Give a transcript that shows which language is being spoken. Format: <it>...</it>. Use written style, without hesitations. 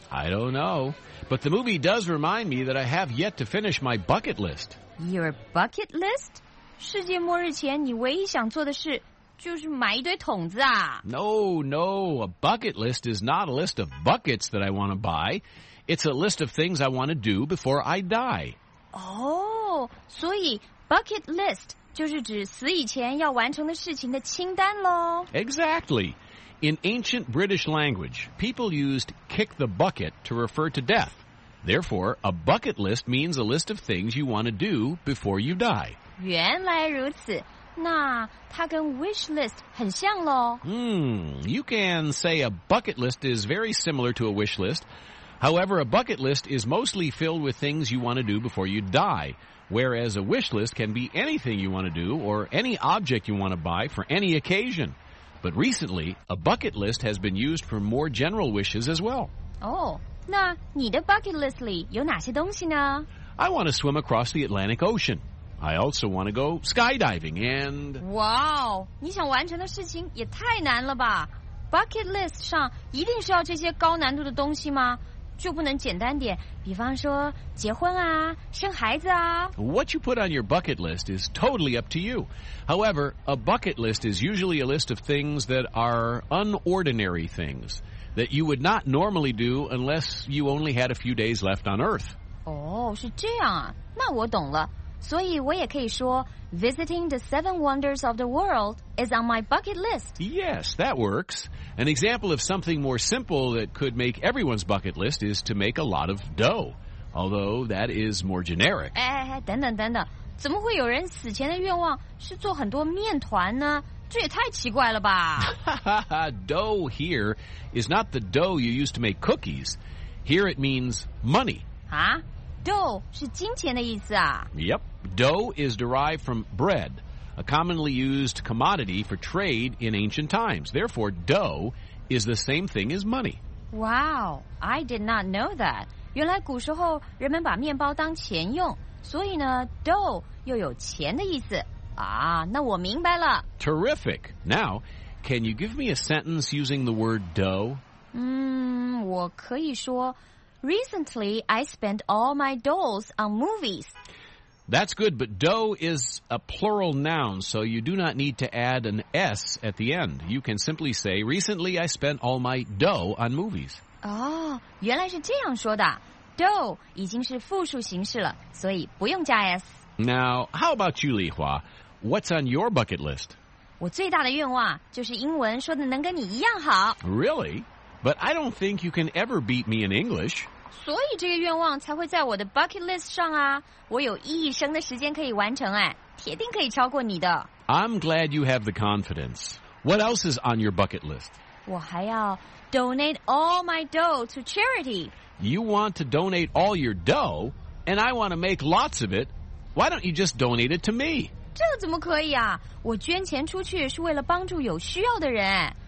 <en>I don't know, but the movie does remind me that I have yet to finish my bucket list. Your bucket list?</en> <zh>世界末日前你唯一想做的事就是买一堆桶子啊。</zh> <en>No, no, a bucket list is not a list of buckets that I want to buy. It's a list of things I want to do before I die.</en> <zh>Oh, 所以Bucket list 就是指死以前要完成的事情的清单咯。</zh> <en>Exactly. In ancient British language, people used kick the bucket to refer to death. Therefore, a bucket list means a list of things you want to do before you die.</en> <zh>原来如此，那它跟 wish list 很像咯。</zh> <en>You can say a bucket list is very similar to a wish list. However, a bucket list is mostly filled with things you want to do before you die. Whereas a wish list can be anything you want to do or any object you want to buy for any occasion. But recently, a bucket list has been used for more general wishes as well.</en> <zh>Oh, 那你的 bucket list 里有哪些东西呢?</zh> <en>I want to swim across the Atlantic Ocean. I also want to go skydiving and...</en> <zh>Wow, 你想完成的事情也太难了吧? Bucket list 上一定是要这些高难度的东西吗? 就不能简单点，比方说结婚啊，生孩子啊。</zh> <en>What you put on your bucket list is totally up to you. However, a bucket list is usually a list of things that are unordinary things that you would not normally do unless you only had a few days left on Earth.</en> <zh>哦、oh, ，是这样啊，那我懂了。所以我也可以说</zh> <en>，Visiting the seven wonders of the world is on my bucket list. Yes, that works. An example of something more simple that could make everyone's bucket list is to make a lot of dough, although that is more generic.</en> <zh>等等，怎么会有人死前的愿望是做很多面团呢？这也太奇怪了吧。</zh> <en>Dough here is not the dough you use to make cookies. Here it means money.</en> <zh>啊 ?Dough 是金钱的意思啊。</zh> <en>Yep, dough is derived from bread. A commonly used commodity for trade in ancient times. Therefore, dough is the same thing as money. Wow, I did not know that.</en> <zh>原来古时候人们把面包当钱用，所以呢 ，dough 又有钱的意思。啊，那我明白了。</zh> <en>Terrific. Now, can you give me a sentence using the word dough?</en> <zh>我可以说</zh> <en>，Recently, I spent all my doughs on movies. That's good, but dough is a plural noun, so you do not need to add an S at the end. You can simply say, recently I spent all my dough on movies.</en> <zh>Oh, 原来是这样说的。Dough 已经是复数形式了，所以不用加 S。</zh> <en>Now, how about you, Lihua? What's on your bucket list?</en> <zh>我最大的愿望就是英文说的能跟你一样好。</zh> <en>Really? But I don't think you can ever beat me in English.</en> <zh>所以这个愿望才会在我的 bucket list 上啊，我有一生的时间可以完成哎，铁定可以超过你的。</zh> <en>I'm glad you have the confidence. What else is on your bucket list?</en> <zh>我还要</zh> <en>donate all my dough to charity. You want to donate all your dough, and I want to make lots of it. Why don't you just donate it to me?</en> <zh>这怎么可以啊？我捐钱出去是为了帮助有需要的人哎。</zh>